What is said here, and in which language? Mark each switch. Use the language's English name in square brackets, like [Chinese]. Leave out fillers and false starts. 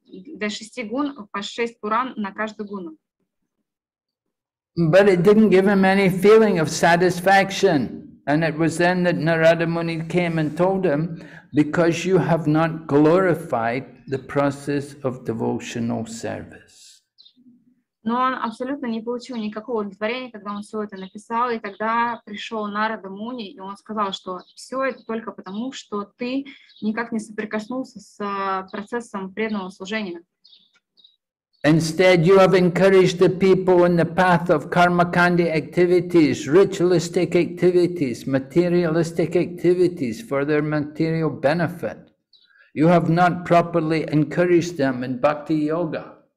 [Russian] Для 6 гун по 6 пуран на каждую гуну. [English] But it didn't give him any feeling of satisfaction. And it was then that Narada Muni came and told him, because you have not glorified the process of devotional service. [Russian] Но он абсолютно не получил никакого удовлетворения, когда он все это написал, и тогда пришел Нарада Муни, и он сказал, что все это только потому, что ты никак не соприкоснулся с процессом преданного служения. [English] Instead, you have encouraged the people in the path of karmakandi activities, ritualistic activities, materialistic activities for their material benefit. You have not properly encouraged them in bhakti yoga.